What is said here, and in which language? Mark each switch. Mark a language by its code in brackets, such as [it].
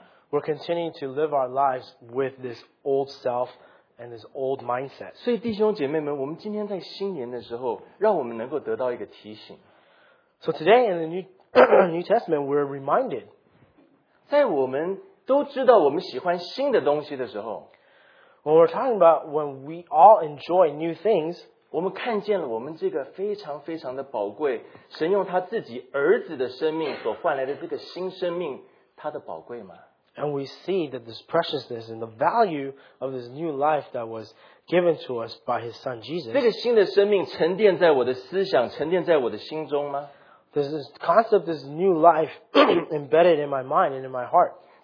[en] We're continuing to live our lives with this old self and this old mindset. [zh] 所以弟兄姐妹们,我们今天在新年的时候,让我们能够得到一个提醒。 [en] So today in the New Testament, we're reminded. [zh] 在我们都知道我们喜欢新的东西的时候, [en] when we're talking about when we all enjoy new things, [zh] 我们看见了我们这个非常非常的宝贵, 神用他自己儿子的生命所换来的这个新生命, 它的宝贵吗? [en] And we see that this preciousness and the value of this new life that was given to us by His Son Jesus. [zh] 这个新的生命沉淀在我的思想,沉淀在我的心中吗? [en] There's this concept, this new life embedded in my mind and in my heart.